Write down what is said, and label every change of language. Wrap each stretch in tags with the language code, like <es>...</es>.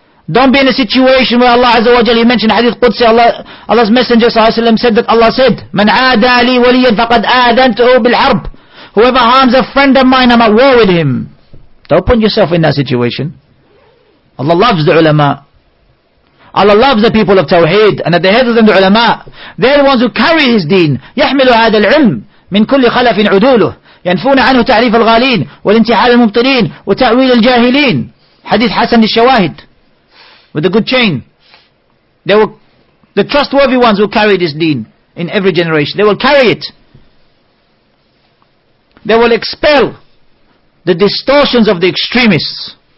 <en>Don't be in a situation where Allah Azza wa Jalla, you mentioned Hadith Qudsi, Allah's Messenger sallallahu alayhi wa sallam said that Allah said,</en> <ar>Man aada li waliyan faqad aadantuhu bil harb.</ar> <en>Whoever harms a friend of mine, I'm at war with him. Don't put yourself in that situation. Allah loves the ulama. Allah loves the people of Tawheed. And at the head of them, the ulama. They're the ones who carry his deen.</en> <ar>يَحْمِلُ هَذَا الْعِلْمِ مِنْ كُلِّ خَلَفٍ عُدُولُهُ يَنْفُونَ عَنْهُ تَعْرِيفَ الْغَالِينَ وَالْإِنْتِحَالَ الْمُبْطِلِينَ وَتَعْوِيلَ الْجَاهِلِينَ Hadith Hassan al-Shawahid.</ar> <en>With a good chain. They were the trustworthy ones who carry his deen in every generation. They will carry it. They will expel the distortions of the extremists.</en>